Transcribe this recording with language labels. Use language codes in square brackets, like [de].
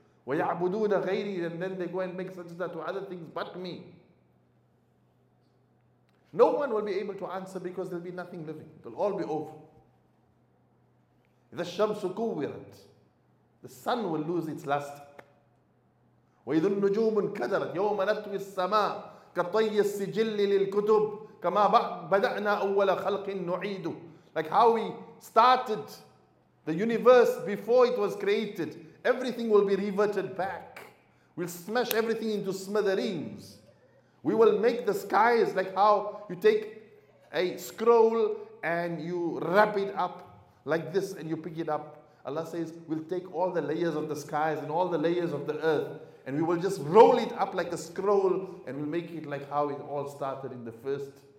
[ar] وَيَعْبُدُونَ غَيْرِي [en] And then they go and make such that to other things but me. No one will be able to answer because there will be nothing living. It will all be over. [ar] إِذَا الشَّمْسُ كُوِّرَتْ [en] The sun will lose its luster. [ar] وَإِذُ النُّجُومُ انْكَدَرَتْ يَوْمَ نَتْوِي السَّمَاءِ كَطَيِّ السِّجِلِّ لِلْكُتُبِ كَمَا بَدَعْنَا أَوَّلَ خَلْقٍ نُعِيدُ [en] Like how we started the universe before it was created. Everything will be reverted back. We'll smash everything into smithereens. We will make the skies like how you take a scroll and you wrap it up like this and you pick it up. Allah says, we'll take all the layers of the skies and all the layers of the earth and we will just roll it up like a scroll and we'll make it like how it all started in the first.